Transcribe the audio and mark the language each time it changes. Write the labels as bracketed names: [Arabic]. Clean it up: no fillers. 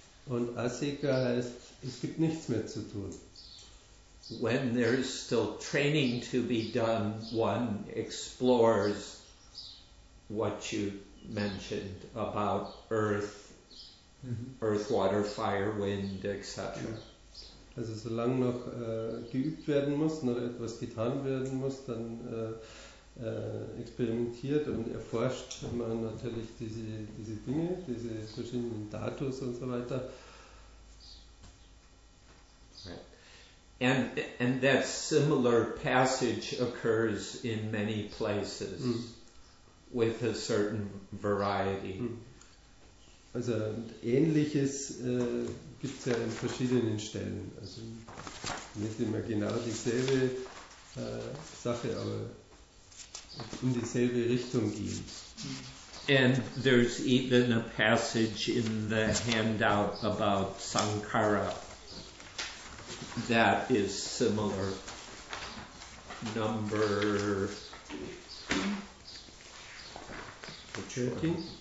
[German] Und A Seka heißt, es gibt nichts mehr zu tun. [English] When there is still training to be done, one explores what you mentioned about earth, earth, water, fire, wind, etc. [German] Also solange noch geübt werden muss, noch etwas getan werden muss, dann experimentiert und erforscht man natürlich diese Dinge, diese verschiedenen Datus und so weiter. [English] And that similar passage occurs in many places with a certain variety. [German] Also Ähnliches gibt es ja in verschiedenen Stellen. Also nicht immer genau dieselbe Sache, aber in dieselbe Richtung gehen. [English] And there's even a passage in the handout about Sankara. That is similar. Number 13?